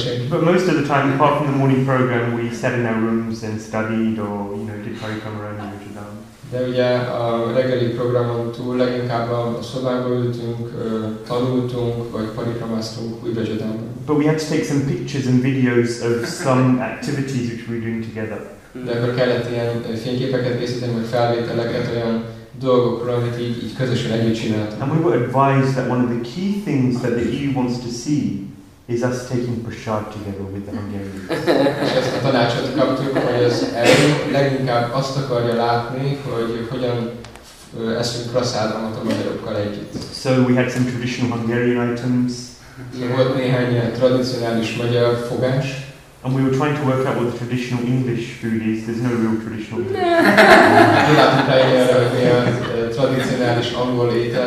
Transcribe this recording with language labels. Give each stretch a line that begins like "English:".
English: But most of the time, apart from the morning program, we sat in our rooms and studied or, you know, did Harikam around in Rotterdam.
Hungarian: De ugye a reggeli programon túl leginkább a szobába ültünk, tanultunk, vagy parikramáztunk Újbezsodánban.
English: But we had to take some pictures and videos of some activities which we were doing together.
Hungarian: De akkor kellett ilyen fényképeket készíteni, vagy felvételeket olyan dolgokról, amit így közösen együtt csináltunk.
English: And we were advised that one of the key things that the EU wants to see is us taking prasad together with the Hungarians.
Hungarian: És ezt a tanácsot kaptuk, hogy az EU leginkább azt akarja látni, hogy hogyan eszünk prasadamot a magyarokkal együtt.
English: So we had some traditional Hungarian items.
Hungarian: Volt néhány tradicionális magyar fogás.
English: And we were trying to work out what the traditional English food is. There's no real traditional food.